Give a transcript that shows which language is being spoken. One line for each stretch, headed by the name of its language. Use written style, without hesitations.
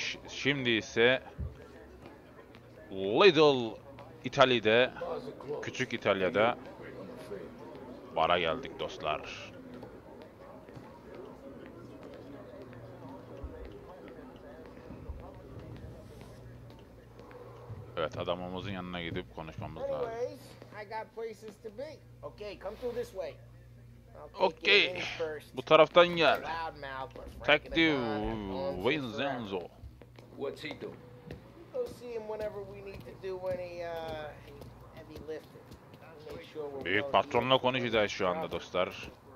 Turkish: Şimdi ise Little İtalya'da, küçük İtalya'da bara geldik dostlar. Evet, adamımızın yanına gidip konuşmamız lazım.
English: Anyways, I got places to be. Okay, come through this way.
Turkish: Okay, bu taraftan gel. Detective Vincenzo.
English: What's he doing? Go see him whenever we need to do any heavy lifting.
Turkish: Büyük patronla konuşacağız şu anda dostlar.